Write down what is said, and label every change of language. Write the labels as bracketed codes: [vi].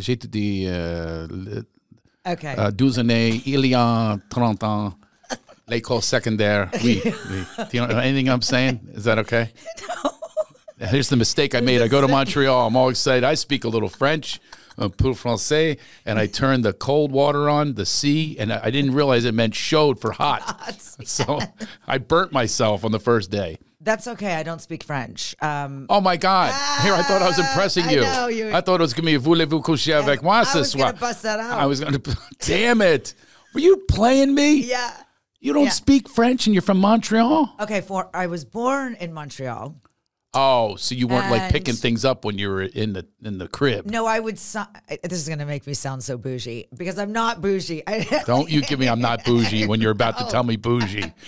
[fr] J'ai étudié 12 années, il y a 30 ans, l'école secondaire. Oui, oui. [en] Do you know anything I'm saying? Is that okay? No. Here's the mistake I made. I go to Montreal. I'm all excited. I speak a little French. [fr] un peu français, [en] and I turned the cold water on, the C, and I didn't realize it meant showed for hot. So I burnt myself on the first day. That's okay. I don't speak French. Oh, my God. Here, I thought I was impressing you. I thought it was going to be [fr] voulez-vous coucher avec moi ce soir. [en] I was going to bust that out. I was going to. Damn it. Were you playing me? Yeah. You don't speak French and you're from Montreal? Okay. I was born in Montreal. Oh, so you weren't like picking things up when you were in the crib. No, I would. This is going to make me sound so bougie because I'm not bougie. Don't you give me I'm not bougie when you're about to tell me bougie.